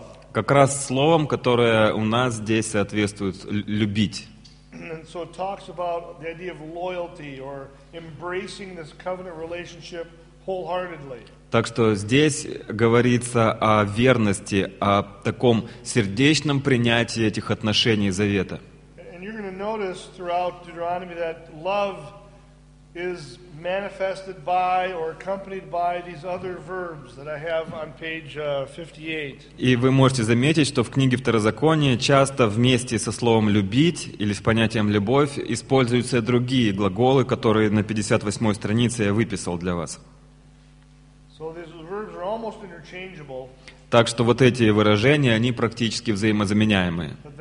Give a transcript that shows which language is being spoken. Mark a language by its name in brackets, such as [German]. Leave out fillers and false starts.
[Russian] Как раз словом, которое у нас здесь соответствует «любить». [English] And so it talks about the idea of loyalty or embracing this covenant relationship wholeheartedly. [Russian] Так что здесь говорится о верности, о таком сердечном принятии этих отношений завета. [English] And you're going to notice throughout Deuteronomy that love is manifested by or accompanied by these other verbs that I have on page 58. [Russian] И вы можете заметить, что в книге Второзакония часто вместе со словом «любить» или с понятием «любовь» используются другие глаголы, которые на 58-й странице я выписал для вас. [English] So these verbs are almost interchangeable. [Russian] Так что вот эти выражения, они практически взаимозаменяемые.